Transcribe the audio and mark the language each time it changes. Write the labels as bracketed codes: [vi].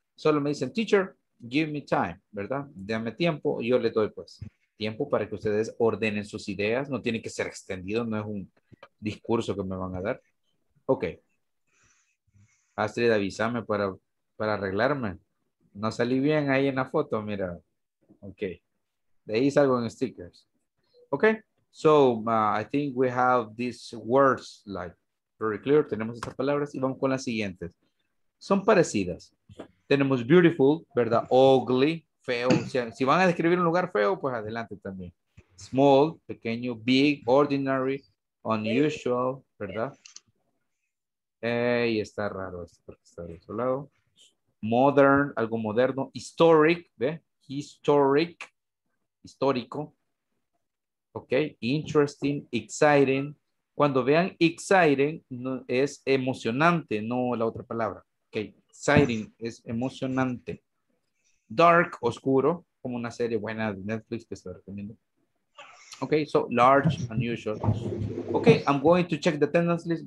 [es] Solo me dicen, teacher, give me time, ¿verdad? Dame tiempo, yo le doy pues tiempo para que ustedes ordenen sus ideas. No tiene que ser extendido, no es un discurso que me van a dar. Ok. Astrid, avísame para arreglarme. No salí bien ahí en la foto, mira. Ok. De ahí salgo en stickers. Ok. [en] So, I think we have these words like very clear. [es] Tenemos estas palabras y vamos con las siguientes. Son parecidas. Tenemos beautiful, ¿verdad? Ugly, feo. Si van a describir un lugar feo, pues adelante también. Small, pequeño, big, ordinary, unusual, ¿verdad? Y está raro esto porque está de otro lado. Modern, algo moderno. Historic, ¿ve? Historic, histórico. [en] Ok, interesting, exciting. [es] Cuando vean exciting, no, es emocionante, no la otra palabra. Ok, exciting es emocionante. Dark, oscuro, como una serie buena de Netflix que estoy recomiendo. [en] Ok, so large, unusual. Ok, I'm going to check the attendance list.